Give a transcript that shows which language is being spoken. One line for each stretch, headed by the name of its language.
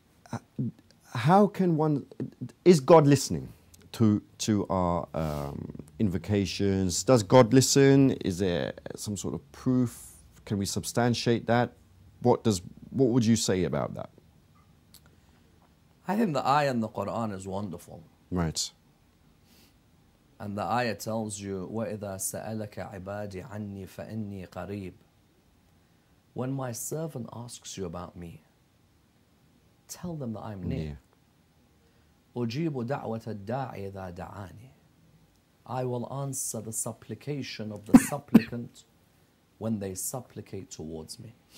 English: But how can one, is God listening to our invocations? Does God listen? Is there some sort of proof? Can we substantiate that? What would you say about that? I think the ayah in the Quran is wonderful. Right. And the ayah tells you,
Arabic: وَإِذَا سَأَلَكَ عِبَادِي عَنِّي فَإِنِّي قَرِيبٌ.
English: When my servant asks you about me, tell them that I'm near.
Arabic: أُجِيبُ دَعْوَةَ الدَّاعِ إِذَا دَعَانِي.
English: I will answer the supplication of the supplicant when they supplicate towards me.